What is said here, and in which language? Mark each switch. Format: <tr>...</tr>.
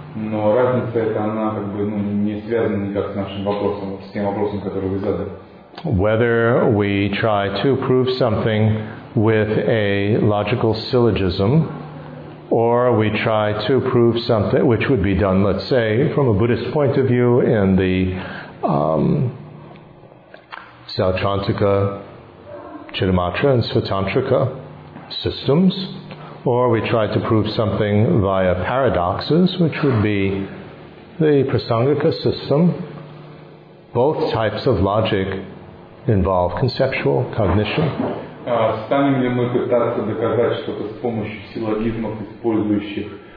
<ru>Но разница эта, она как бы, ну, не связана никак с нашим вопросом, с тем вопросом, который вы задали.</ru> <en>Whether we try to prove something with a logical syllogism, or we try to prove something which would be done, let's say, from a Buddhist point of view in the Sauchantika, Chittimatra and Svatantrika systems, or we try to prove something via paradoxes, which would be the Prasangika system. Both types of logic involve conceptual cognition.</en> <ru>Станем ли мы пытаться доказать что-то с помощью силлогизмов, использующих</ru>